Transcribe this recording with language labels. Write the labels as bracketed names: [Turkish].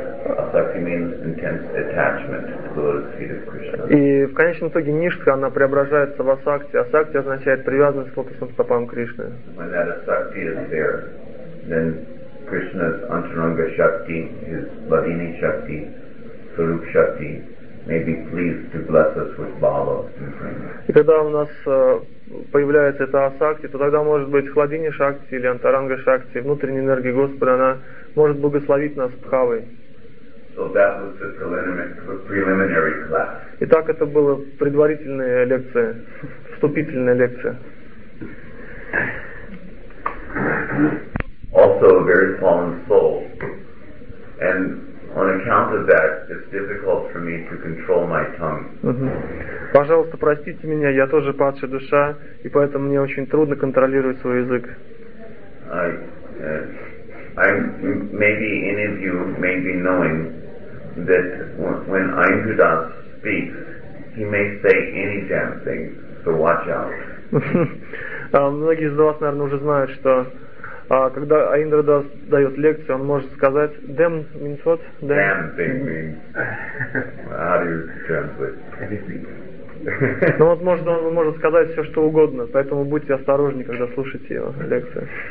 [English] Asakti means intense attachment to the lotus feet of Krishna. [Russian] И в конечном итоге ништха она преображается в асакти. Асакти означает привязанность к лотосным стопам Кришны. [English] When that asakti is there, then Krishna's antaranga shakti, his bhavini shakti, swarup shakti, may be pleased to bless us with bhava. [Russian] И когда у нас появляется эта асакти, то тогда может быть хладини шакти или антаранга шакти, внутренняя энергия Господа, она может благословить нас бхавой. [English] So that was the preliminary class. [Russian] Итак, это была предварительная лекция, вступительная лекция. [English] Also a very fallen soul. And on account of that, it's difficult for me to control my tongue. [Russian] Пожалуйста, простите меня, я тоже падшая душа, и поэтому мне очень трудно контролировать свой язык. [English] Maybe any of you may be knowing that when Aindudas speaks, he may say any damn thing, so watch out. [Russian] Многие из вас, наверное, уже знают, что когда Аиндра Дас дает лекцию, он может сказать [English] «Damn means what?» «Damn thing means...» How do you translate? [Russian] Ну вот может, он может сказать все, что угодно, поэтому будьте осторожнее, когда слушаете его лекцию.